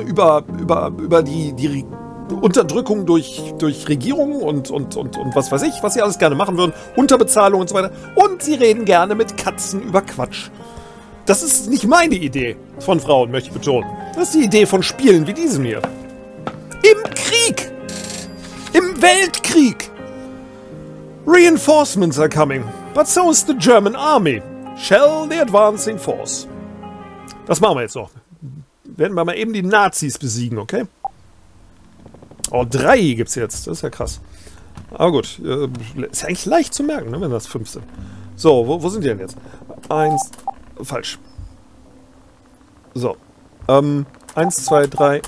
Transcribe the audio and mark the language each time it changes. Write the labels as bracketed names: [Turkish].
[German] über die Unterdrückung durch Regierungen und was weiß ich, was sie alles gerne machen würden, Unterbezahlung und so weiter. Und sie reden gerne mit Katzen über Quatsch. Das ist nicht meine Idee von Frauen, möchte ich betonen. Das ist die Idee von Spielen wie diesem hier. Im Krieg! Im Weltkrieg! [English] Reinforcements are coming, but so is the German army. Shell the advancing force. [German] Das machen wir jetzt noch. Werden wir mal eben die Nazis besiegen, okay? Oh, drei gibt's jetzt. Das ist ja krass. Aber gut. Ist ja eigentlich leicht zu merken, ne, wenn das fünf sind. So, wo sind die denn jetzt? Eins. Falsch. So. Eins, zwei, drei.